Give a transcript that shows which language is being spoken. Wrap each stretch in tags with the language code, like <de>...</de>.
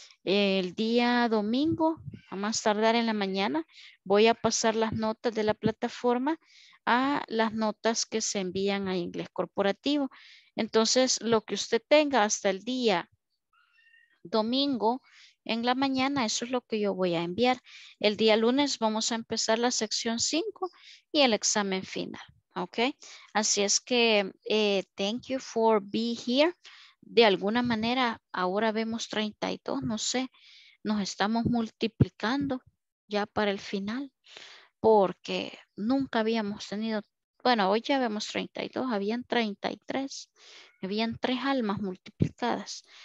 <es>El día domingo, a más tardar en la mañana, voy a pasar las notas de la plataforma a las notas que se envían a Inglés Corporativo. Entonces, lo que usted tenga hasta el día domingo en la mañana, eso es lo que yo voy a enviar. El día lunes vamos a empezar la sección 5 y el examen final. Okay. Así es que</es> <en>thank you for being here.</en> <es>De alguna manera, ahora vemos 32, no sé, nos estamos multiplicando ya para el final. Porque nunca habíamos tenido, bueno, hoy ya vemos 32, habían 33, habían tres almas multiplicadas.</es>